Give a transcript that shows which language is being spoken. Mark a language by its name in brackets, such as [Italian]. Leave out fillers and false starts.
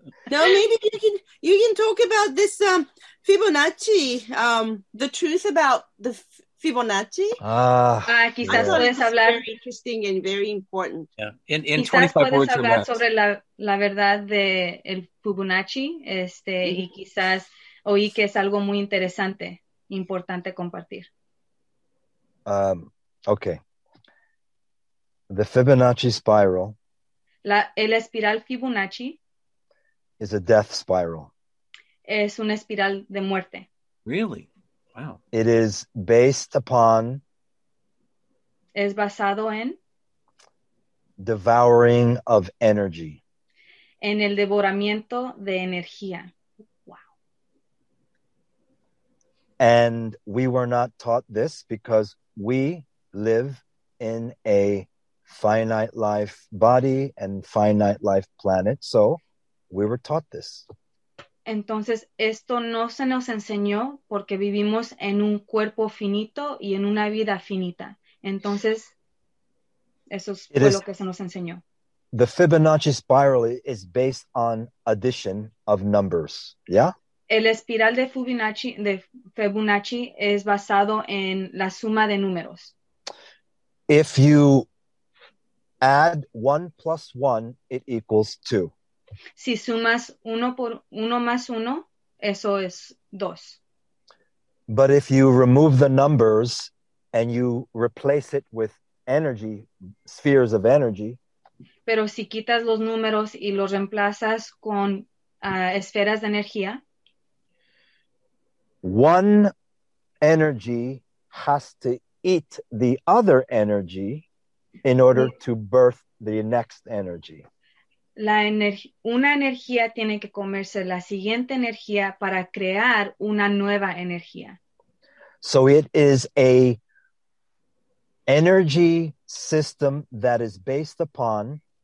[English] No, maybe you can talk about this Fibonacci, the truth about the Fibonacci. [Spanish] Quizás puedes hablar. [English] Very interesting and very important. Yeah. In 25 words or less. [Spanish] Sobre la verdad de el Fibonacci, mm-hmm. y quizás. Oí que es algo muy interesante. importante compartir. [English] Okay. The Fibonacci spiral. [Spanish] El espiral Fibonacci. [English] Is a death spiral. [Spanish] Es una espiral de muerte. [English] Really? Wow. It is based upon. [Spanish] Es basado en. [English] Devouring of energy. [Spanish] En el devoramiento de energía. [English] Wow. And we were not taught this because we live in a finite life body and finite life planet. So we were taught this. [Spanish] Entonces, esto no se nos enseñó porque vivimos en un cuerpo finito y en una vida finita. Entonces, eso fue lo que se nos enseñó. [English] The Fibonacci spiral is based on addition of numbers, yeah? [Spanish] El espiral de Fibonacci es basado en la suma de números. [English] If you add 1 + 1, it equals 2. [Spanish] Si sumas 1 + 1, eso es 2. [English] But if you remove the numbers and you replace it with energy, spheres of energy. [Spanish] Pero si quitas los números y los reemplazas con esferas de energía. [English] One energy has to eat the other energy in order to birth the next energy. [Spanish] Una energía tiene que comerse la siguiente energía para crear una nueva energía. [English] So it is a energy system that is based upon.